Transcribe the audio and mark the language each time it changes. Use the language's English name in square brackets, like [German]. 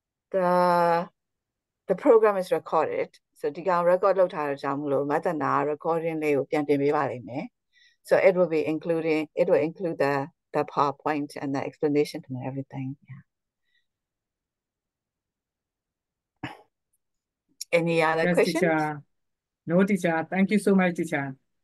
[English] The program is recorded. [Burmese] So ဒီကောင် record လုပ်ထားတာကြောင့်မလို့မသနာ recording လေးကိုပြန်တင်ပေးပါလိမ့်မယ်. [English] So it will include the PowerPoint and the explanation and everything. Yeah. Any other questions? Teacher. No teacher. Thank you so much, teacher.